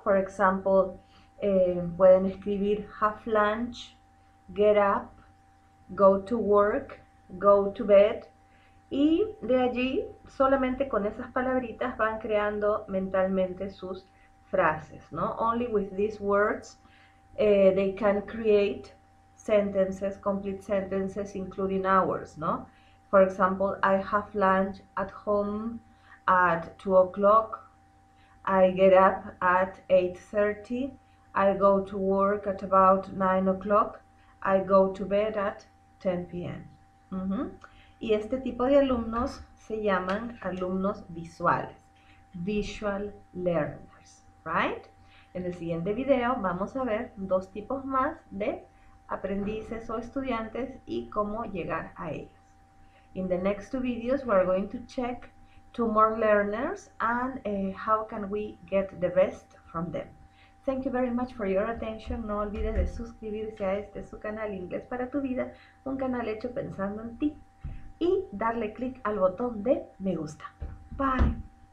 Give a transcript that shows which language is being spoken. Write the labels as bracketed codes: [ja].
[en] For example, [es] pueden escribir [en] have lunch, get up, go to work, go to bed. [es] Y de allí, solamente con esas palabritas, van creando mentalmente sus frases, ¿no? [en] Only with these words they can create sentences, complete sentences, including hours, ¿no? For example, I have lunch at home at 2 o'clock. I get up at 8:30. I go to work at about 9 o'clock. I go to bed at 10 p.m. [es] Y este tipo de alumnos se llaman alumnos visuales, [en] visual learners, right? [es] En el siguiente video vamos a ver dos tipos más de aprendices o estudiantes y cómo llegar a ellos. [en] In the next two videos, we are going to check two more learners and how can we get the best from them. Thank you very much for your attention. [es] No olvides de suscribirse a este su canal Inglés para tu vida, un canal hecho pensando en ti. Y darle clic al botón de me gusta. Bye.